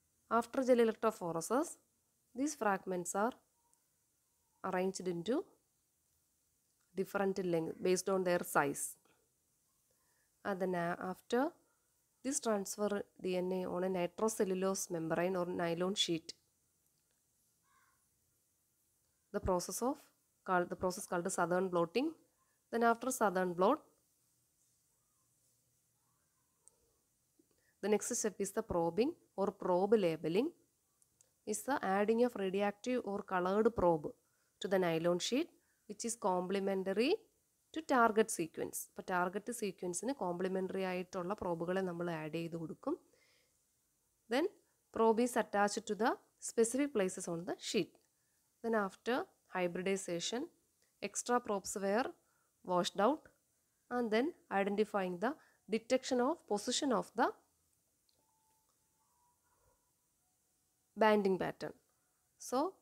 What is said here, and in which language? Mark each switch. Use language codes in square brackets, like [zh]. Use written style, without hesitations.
[en] After gel electrophoresis these fragments are arranged into different length based on their size and then after this transfer DNA on a nitrocellulose membrane or nylon sheet. The process called southern blotting. Then after southern blot, the next step is the probing or probe labeling. Is the adding of radioactive or colored probe to the nylon sheet, which is complementary to target sequence. [ml] അപ്പോൾ target സീക്വൻസിന് complimentary ആയിട്ടുള്ള പ്രോബുകളെ നമ്മൾ add ചെയ്ത് കൊടുക്കും. [en] Then probe is attached to the specific places on the sheet. Then after hybridization extra probes were washed out and then identifying the detection of position of the banding pattern. So